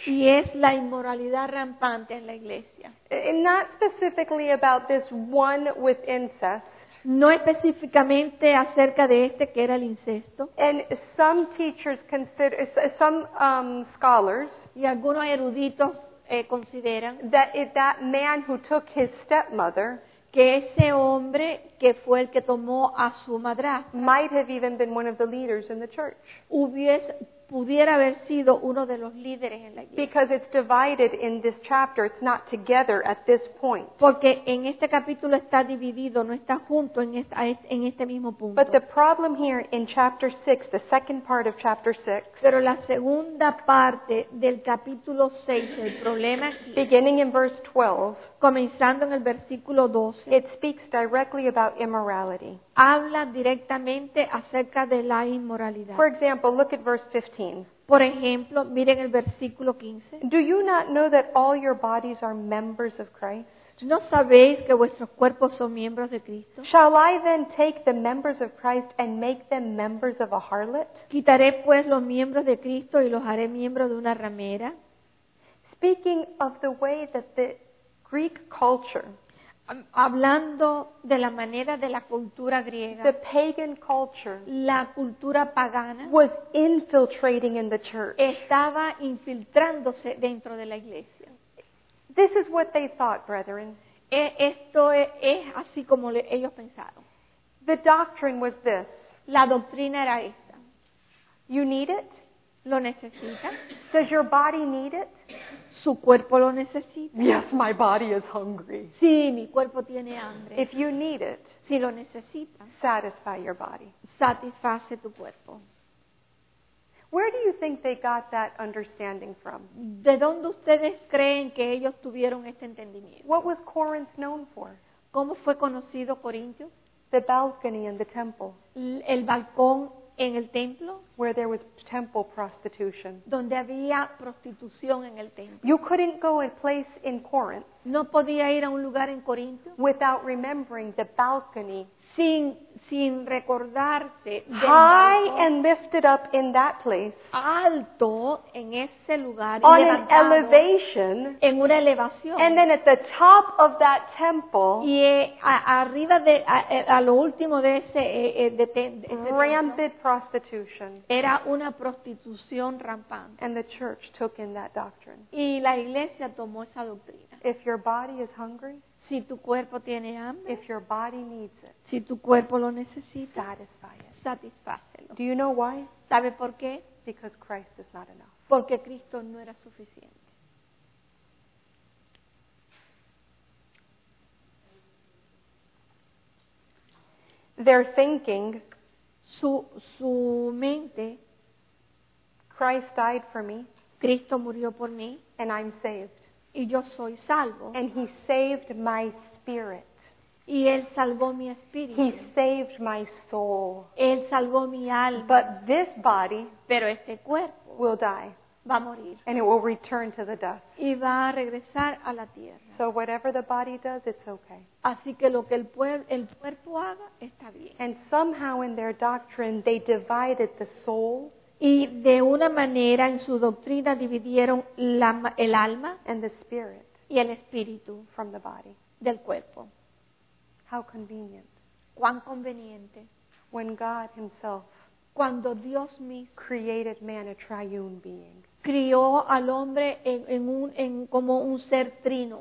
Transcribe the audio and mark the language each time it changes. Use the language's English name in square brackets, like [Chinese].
[Spanish] Y es la inmoralidad rampante en la iglesia. [English] And not specifically about this one with incest. [Spanish] No específicamente acerca de este que era el incesto. [English] And some teachers consider, some scholars, [Spanish] y algunos eruditos consideran [English] that that man who took his stepmother, [Spanish] que ese hombre que fue el que tomó a su madrastra, [English] might have even been one of the leaders in the church. [Spanish] Pudiera haber sido uno de los líderes en la iglesia. [English] Because it's divided in this chapter, it's not together at this point. [Spanish] Porque en este capítulo está dividido, no está junto en este mismo punto. [English] But the problem here in chapter 6, the second part of chapter 6. [Spanish] Pero la segunda parte del capítulo 6, el problema aquí, [English] beginning in verse 12. [Spanish] Comenzando en el versículo 12. [English] It speaks directly about immorality. [Spanish] habla directamente acerca de la inmoralidad. [English] For example, look at verse 15. [Spanish] Por ejemplo, miren el versículo 15. [English] Do you not know that all your bodies are members of Christ? [Spanish] ¿No sabéis que vuestros cuerpos son miembros de Cristo? [English] Shall I then take the members of Christ and make them members of a harlot? [Spanish] ¿Quitaré pues los miembros de Cristo y los haré miembros de una ramera? [English] Speaking of the way that the Greek culture, [Spanish] hablando de la manera de la cultura griega, [English] the pagan culture, [Spanish] la cultura pagana, [English] was infiltrating in the church. [Spanish] Estaba infiltrándose dentro de la iglesia. [English] This is what they thought, brethren. [Spanish] Esto es así como ellos pensaron. [English] The doctrine was this. [Spanish] La doctrina era esta. [English] You need it? [Spanish] Lo necesita. [English] Does your body need it? [Spanish] Su cuerpo lo necesita. [English] Yes, my body is hungry. [Spanish] Sí, mi cuerpo tiene hambre. [English] If you need it, [Spanish] si lo necesita, [English] satisfy your body. [Spanish] Satisface tu cuerpo. [English] Where do you think they got that understanding from? [Spanish] ¿De dónde ustedes creen que ellos tuvieron este entendimiento? [English] What was Corinth known for? [Spanish] ¿Cómo fue conocido Corinto? [English] The balcony in the temple. [Spanish] El balcón en el templo. [English] Where there was temple prostitution. [Spanish] Donde había prostitución en el templo. [English] You couldn't go a place in Corinth. [Spanish] No podía ir a un lugar en Corinto. [English] Without remembering the balcony. [Spanish] Sin recordarse [English] del high balcón, and lifted up in that place, [Spanish] alto en ese lugar, [English] on an elevation, [Spanish] en una elevación, [English] and then at the top of that temple, [Spanish] y arriba de a lo último de ese [English] rampant prostitution, [Spanish] era una prostitución rampante, [English] and the church took in that doctrine, [Spanish] y la iglesia tomó esa doctrina. [English] If your body is hungry, [Spanish] si tu cuerpo tiene hambre, [English] if your body needs it, [Spanish] si tu cuerpo lo necesita, [English] satisfy it. [Spanish] Satisfácelo. [English] Do you know why? [Spanish] ¿Sabe por qué? [English] Because Christ is not enough. [Spanish] Porque Cristo no era suficiente. [English] They're thinking, [Spanish] su mente, [English] Christ died for me, [Spanish] Cristo murió por mí, [English] and I'm saved. [Spanish] Y yo soy salvo. [English] And he saved my spirit. [Spanish] Y él salvó mi espíritu. [English] He saved my soul. [Spanish] Él salvó mi alma. [English] But this body, [Spanish] pero este cuerpo, [English] will die. [Spanish] Va a morir. [English] And it will return to the dust. [Spanish] Y va a regresar a la tierra. [English] So whatever the body does, it's okay. [Spanish] Así que lo que el cuerpo haga, está bien. [English] And somehow in their doctrine, they divided the soul. [Spanish] Y de una manera en su doctrina dividieron el alma [English] and the spirit [Spanish] y el espíritu [English] from the body. [Spanish] Del cuerpo. [English] How convenient. [Spanish] Cuán conveniente. [English] When God himself, [Spanish] cuando Dios mismo, [English] created man a triune being, [Spanish] crió al hombre en como un ser trino.